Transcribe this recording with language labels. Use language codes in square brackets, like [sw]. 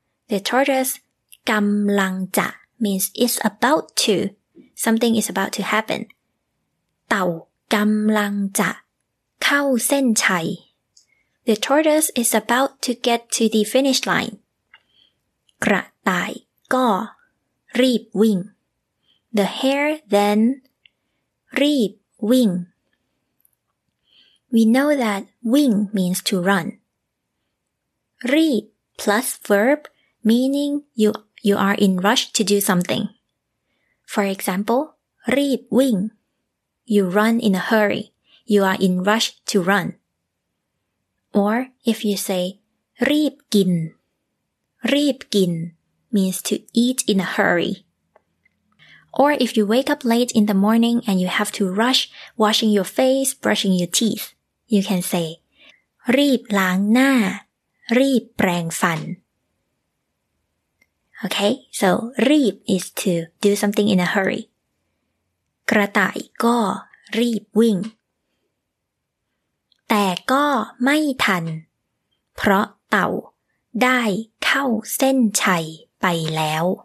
[en] the tortoise [th] กำลังจะ [en] means it's about to something is about to happen [th] เต่ากำลังจะเข้าเส้นชัย [en] The tortoise is about to get to the finish line. [th] กระต่ายก็รีบวิ่ง [en] The hare then [th] รีบวิ่ง [en] We know that wing means to run. [th] รีบ [en] plus verb meaning you are in rush to do something. For example, [th] รีบวิ่ง [en] You run in a hurry. You are in rush to run. Or if you say, [th] รีบกิน [en] means to eat in a hurry. Or if you wake up late in the morning and you have to rush washing your face, brushing your teeth, you can say, [th] รีบล้างหน้า รีบแปรงฟัน [en] Okay, so [th] รีบ [en] is to do something in a hurry. [th] กระต่ายก็รีบวิ่งแต่ก็ไม่ทันเพราะเต่าได้เข้าเส้นชัยไปแล้ว